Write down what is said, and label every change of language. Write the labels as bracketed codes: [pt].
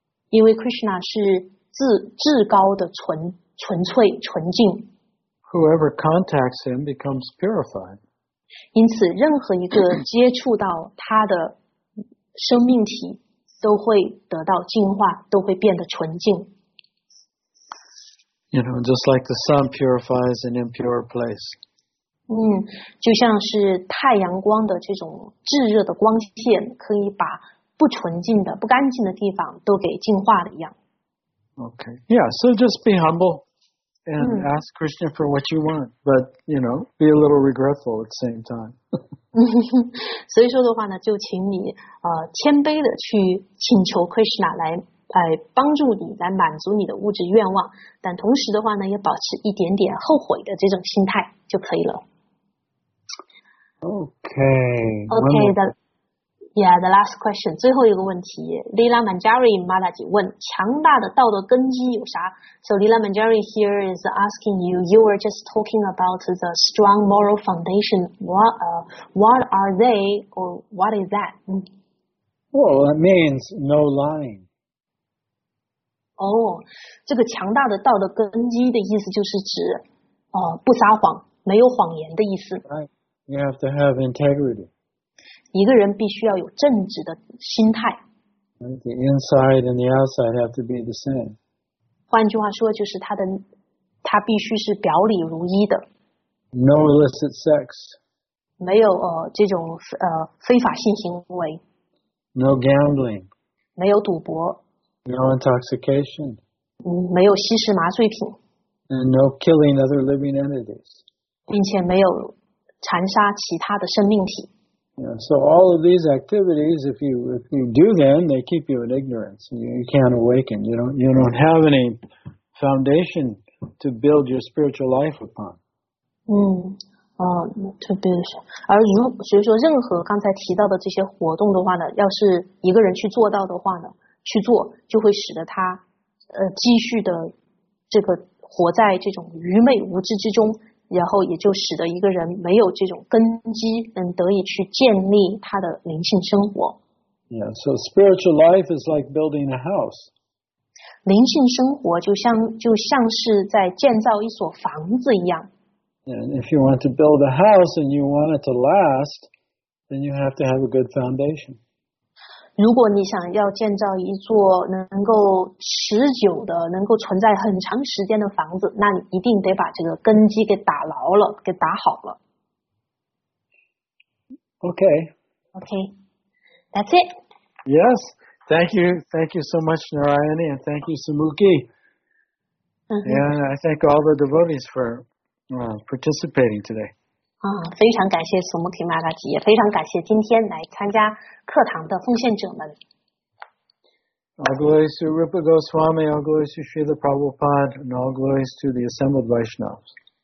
[zh] 因为 Krishna 是至高的纯粹纯净。 [en] Whoever contacts him becomes purified. [zh] 因此任何一个接触到他的生命体都会得到净化，都会变得纯净。 [en] You know, just like the sun purifies an impure place. [zh] 就像是太阳光的这种炙热的光线可以把不纯净的、不干净的地方都给净化了一样。 [en] Okay, yeah, so just be humble and ask Krishna for what you want, but, you know, be a little regretful at the same time. [zh] 所以说的话呢，就请你谦卑的去请求 Krishna 来帮助你，来满足你的物质愿望，但同时的话呢，也保持一点点后悔的这种心态就可以了。 [en] Okay, the last question, [zh] 最后一个问题 [en] ,Lila Manjari Madaji [zh] 问强大的道德根基有啥 [en] ?So Lila Manjari here is asking you were just talking about the strong moral foundation, what are they or what is that? Well, that means no lying. [zh] 这个强大的道德根基的意思就是指不撒谎，没有谎言的意思。 [en] Right. You have to have integrity. [zh] 一个人必须要有正直的心态。 [en] The inside and the outside have to be the same. [zh] 换句话说，就是他必须是表里如一的。 [en] No illicit sex. [zh] 没有这种非法性行为。 [en] No gambling. [zh] 没有赌博。 [en] No intoxication. [zh] 没有吸食麻醉品。 [en] And no killing other living entities. [zh] 并且没有残杀其他的生命体。 [en] Yeah, so all of these activities, if you do them, they keep you in ignorance. You can't awaken. You don't have any foundation to build your spiritual life upon. [zh] 特别是而如所以说任何刚才提到的这些活动的话呢，要是一个人去做到的话呢，去做就会使得他继续的这个活在这种愚昧无知之中。然后也就使得一个人没有这种根基，能得以去建立他的灵性生活。 [en] Yeah, so spiritual life is like building a house. [zh] 灵性生活就像是在建造一所房子一样。 [en] And if you want to build a house and you want it to last, then you have to have a good foundation. [zh] 如果你想要建造一座能够持久的、能够存在很长时间的房子，那你一定得把这个根基给打牢了、给打好了。 [en] Okay. That's it. Yes. Thank you. Thank you so much, Narayani, and thank you, Sumuki. And I thank all the devotees for participating today. [zh] 非常感谢苏穆提马达吉，也非常感谢今天来参加课堂的奉献者们。 [en] All glories to Rupa Goswami, all glories to Srila Prabhupada, and all glories to the assembled Vaishnavas.